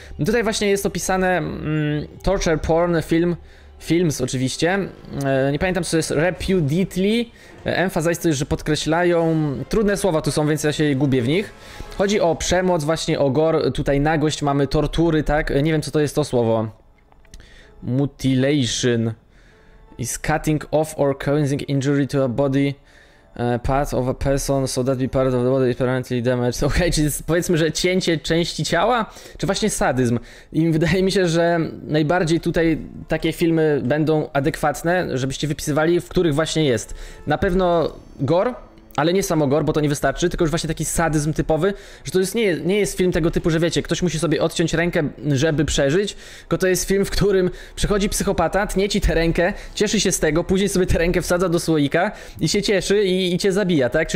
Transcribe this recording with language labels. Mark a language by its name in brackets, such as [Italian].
[Polish] Tutaj właśnie jest opisane [English] torture porn film. [Polish] Films oczywiście. Nie pamiętam, co to jest reputedly. Emphasize to jest, że podkreślają. Trudne słowa tu są, więc ja się gubię w nich. Chodzi o przemoc, właśnie o gore. Tutaj nagość mamy, tortury, tak? Nie wiem, co to jest to słowo. [English] Mutilation is cutting off or causing injury to a body part of a person, so that be part of the body is permanently damaged. [Polish] Okej, czyli powiedzmy, że cięcie części ciała, czy właśnie sadyzm. I wydaje mi się, że najbardziej tutaj takie filmy będą adekwatne, żebyście wypisywali, w których właśnie jest. Na pewno gore. Ale nie samo gore, bo to nie wystarczy, tylko już właśnie taki sadyzm typowy, że to jest nie jest film tego typu, że wiecie, ktoś musi sobie odciąć rękę, żeby przeżyć, tylko to jest film, w którym przychodzi psychopata, tnie ci tę rękę, cieszy się z tego, później sobie tę rękę wsadza do słoika i się cieszy i cię zabija, tak?